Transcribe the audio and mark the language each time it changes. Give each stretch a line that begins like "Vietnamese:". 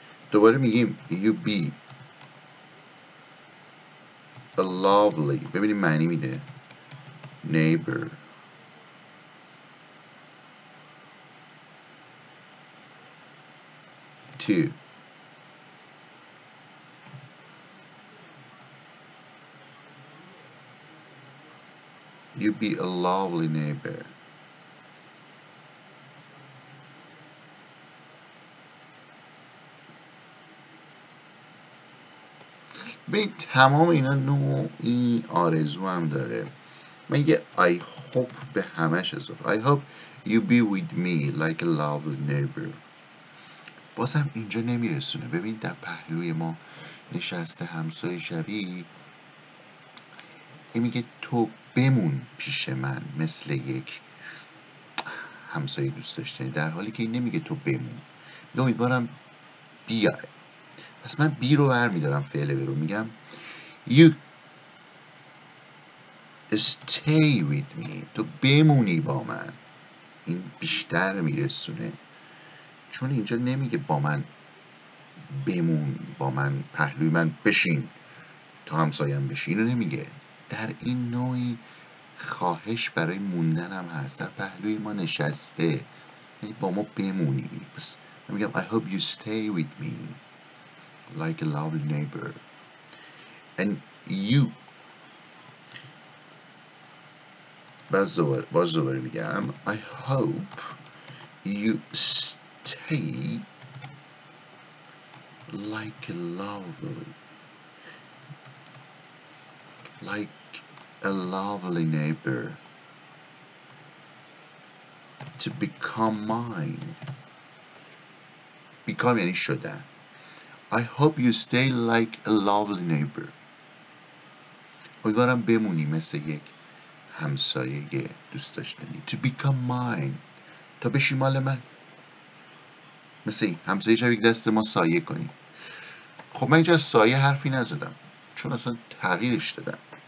Persian: دوباره میگیم
English: You be a lovely،
Persian: ببینیم معنی میده،
English: neighbor to you be a lovely neighbor
Persian: به تمام اینا نوعی آرزو هم داره. من یه
English: I hope
Persian: به همش اضافه.
English: I hope you be with me like a lovely neighbor.
Persian: بازم اینجا نمیرسونه. ببین در پهلوی ما نشسته همسایه شبی، این میگه تو بمون پیش من مثل یک همسایه دوست داشتنی، در حالی که این نمیگه تو بمون، میگه امیدوارم بیای. پس من بی رو برمیدارم فعل برو، میگم
English: You stay with me،
Persian: تو بمونی با من. این بیشتر میرسونه، چون اینجا نمیگه با من بمون، با من پهلوی من بشین تا همسایم بشین، اینو نمیگه. در این نوعی خواهش برای موندن هم هست، در پهلوی ما نشسته، یعنی با ما بمونی. بس میگم
English: I hope you stay with me like a lovely neighbor and you.
Persian: باز دوباره میگم
English: I hope you stay like a lovely neighbor to become mine. Become
Persian: یعنی شده.
English: I hope you stay like a lovely neighbor.
Persian: امیدوارم بمونی مثل یک همسایه دوست داشتنی.
English: To become mine.
Persian: تا بشی مال من. مثل این. همسایه شوی که دست ما سایه کنی. خب من اینجا سایه حرفی نزدم. چون اصلا تغییرش دادم.